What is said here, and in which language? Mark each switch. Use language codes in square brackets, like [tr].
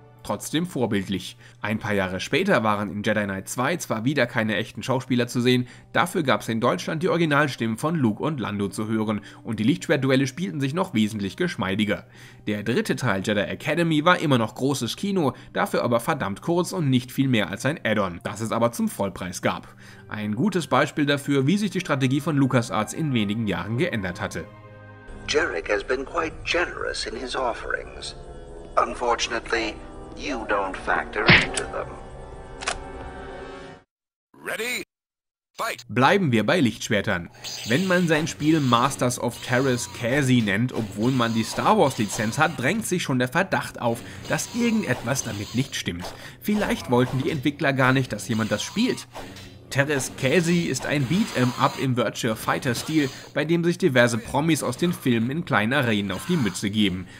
[de] Trotzdem vorbildlich. Ein paar Jahre später waren in Jedi Knight 2 zwar wieder keine echten Schauspieler zu sehen, dafür gab es in Deutschland die Originalstimmen von Luke und Lando zu hören und die Lichtschwertduelle spielten sich noch wesentlich geschmeidiger. Der dritte Teil Jedi Academy war immer noch großes Kino, dafür aber verdammt kurz und nicht viel mehr als ein Add-on, das es aber zum Vollpreis gab. Ein gutes Beispiel dafür, wie sich die Strategie von LucasArts in wenigen Jahren geändert hatte. [en] Jerick has been quite generous in his offerings. Unfortunately, you don't factor into them. Ready? [de] Bleiben wir bei Lichtschwertern. Wenn man sein Spiel Masters of Terras Kasi nennt, obwohl man die Star Wars Lizenz hat, drängt sich schon der Verdacht auf, dass irgendetwas damit nicht stimmt. Vielleicht wollten die Entwickler gar nicht, dass jemand das spielt. Terras Kasi ist ein Beat'em-up im Virtua Fighter-Stil, bei dem sich diverse Promis aus den Filmen in kleinen Arenen auf die Mütze geben.